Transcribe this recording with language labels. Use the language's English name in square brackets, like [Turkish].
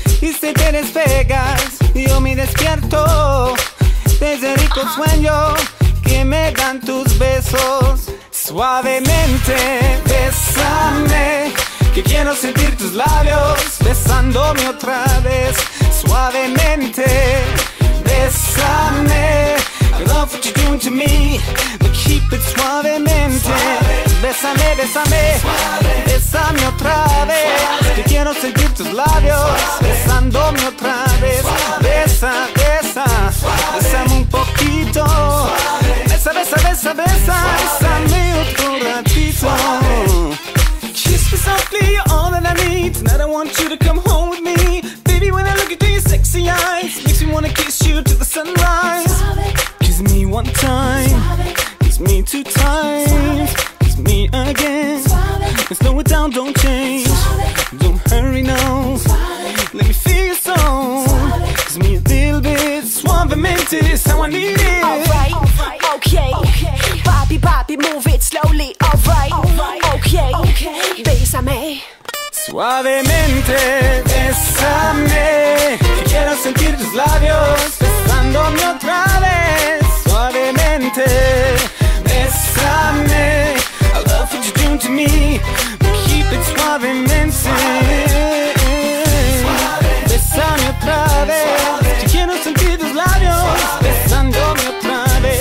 [Spanish] Y si te despegas, yo me despierto de ese rico sueño que me dan tus besos. Suavemente, bésame, que quiero sentir tus labios besándome otra vez. Suavemente, bésame, [English] I love what you're doing to me, but keep it [Spanish] suavemente. Suave. Bésame, bésame, suave. Bésame otra vez, que quiero sentir tus labios suave. Besándome otra vez. Besa, besa, suave. Bésame un poquito suave. Besa, besa, besa, besa suave. Bésame otro ratito suave. [English] Kiss me softly, you're all that I need. Tonight I want you to come home with me. Baby, when I look into your sexy eyes, makes me wanna kiss you to the sunrise. [Spanish] Suave. [English] Kiss me one time, [Spanish] suave. [English] Kiss me two times, [Spanish] suave. [English] Kiss me again, [Spanish] suave. [English] And slow it down, don't change, [Spanish] suave. [English] Don't hurry no, [Spanish] suave. [English] Let me feel your soul, [Spanish] suave. [English] Kiss me a little bit, [Spanish] suavemente, [English] it's how I need it. Alright, okay, papi, papi, move it slowly. Alright, okay, [Spanish] bésame. Suavemente, bésame, quiero sentir tus labios besándome otra vez. Suavemente, bésame, [English] I love what you're doing to me, but keep it [Spanish] suavemente. Suave. Bésame otra vez, suave. Quiero sentir tus labios suave. Besándome otra vez.